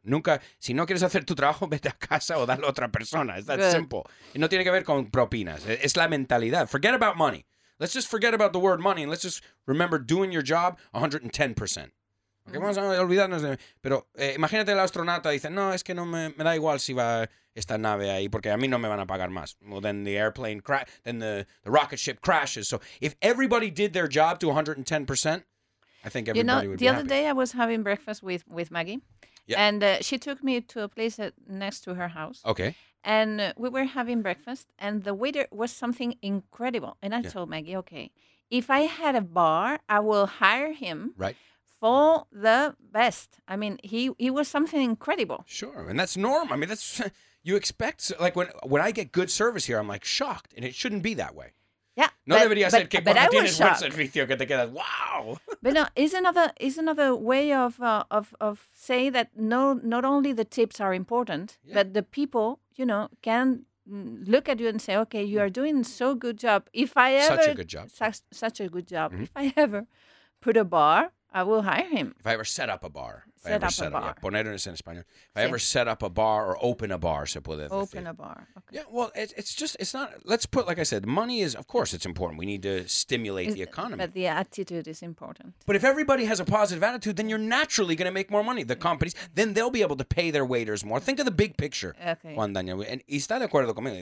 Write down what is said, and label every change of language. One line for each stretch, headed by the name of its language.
Spanish: Nunca, si no quieres hacer tu trabajo, vete a casa o dale a otra persona.
English: It's that simple.
Spanish: Y no tiene que ver con propinas. Es la mentalidad.
English: Forget about money. Let's just forget about the word money and let's just remember doing your job 110%.
Spanish: Okay, vamos a olvidarnos de... Pero imagínate el astronauta dice, no, es que no me da igual si va esta nave ahí porque a mí no me van a pagar más.
English: Well, then the airplane crash, then the rocket ship crashes. So if everybody did their job to 110%, I think everybody would be happy. You know, the other day I was having breakfast with Maggie. Yep. And she took me to a place next to her house. Okay. And we were having breakfast and the waiter was something incredible. And I told Maggie, okay, if I had a bar, I will hire him for the best. I mean, he was something incredible. Sure. And that's norm. I mean, that's you expect. Like when I get good service here, I'm like shocked. And it shouldn't be that way. Yeah,
Spanish: no debería ser que cuando tienes buen servicio que te quedas wow.
English: But no, is another way of saying that not only the tips are important, but the people, you know, can look at you and say, okay, you are doing so good job. If I ever such a good job. Mm-hmm. If I ever put a bar, I will hire him. If I ever set up a bar. Set up a bar. If I ever set up a bar or open a bar,
Spanish: se puede decir.
English: Open a bar. Okay. Yeah, well, it's not, let's put, like I said, money is, of course, it's important. We need to stimulate the economy. But the attitude is important. But if everybody has a positive attitude, then you're naturally going to make more money. The companies, then they'll be able to pay their waiters more. Think of the big picture, okay.
Spanish: Juan Daniel. And está de acuerdo conmigo.